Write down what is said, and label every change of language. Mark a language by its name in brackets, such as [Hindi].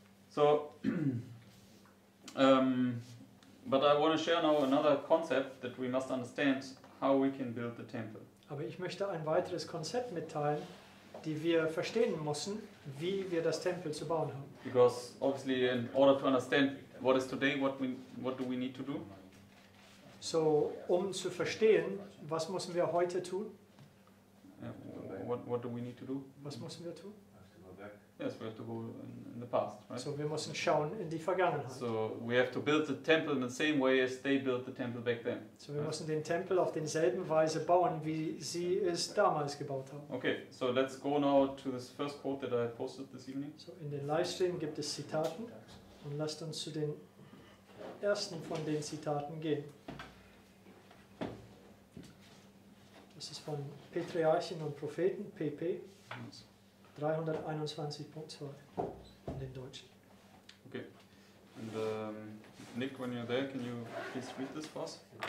[English] So but I want to share now another concept that we must understand how we can build the temple. [German] Aber ich möchte ein weiteres Konzept mitteilen, die wir verstehen müssen, wie wir das Tempel zu bauen haben. [English] Because obviously in order to understand what is today, what do we need to do? [German] So, um zu verstehen, was müssen wir heute tun? [English] What do we need to do? [German] Was müssen wir tun? [English] Yes, we have to go in the past, right? [German] So, wir müssen schauen in die Vergangenheit. [English] So, we have to build the temple in the same way as they built the temple back then. [German] So, wir müssen den Tempel auf denselben Weise bauen, wie sie es damals gebaut haben. [English] Okay, so let's go now to this first quote that I posted this evening. [German] So, in den Livestream gibt es Zitaten und lasst uns zu den ersten von den Zitaten gehen. Das ist von Patriarchen und Propheten, PP, 321.2 in den Deutschen. [English] Okay. And Nick, when you're there, can you please read this for us?